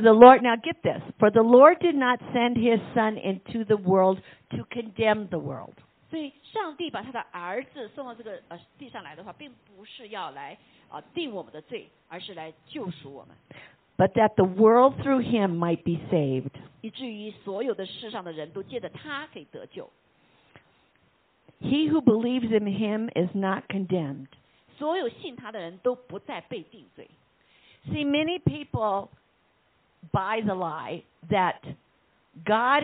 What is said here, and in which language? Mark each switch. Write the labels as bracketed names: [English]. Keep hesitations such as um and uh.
[English] the Lord, now get this for the Lord did not send his son into the world to condemn the world. [Chinese] 所以，上帝把他的儿子送到这个呃地上来的话，并不是要来啊、呃、定我们的罪，而是来救赎我们。 [English] But that the world through him might be saved， [Chinese] 以至于所有的世上的人都借着他可以得救。 [English] He who believes in him is not condemned， [Chinese] 所有信他的人都不再被定罪。 [English] See many people buy the lie that God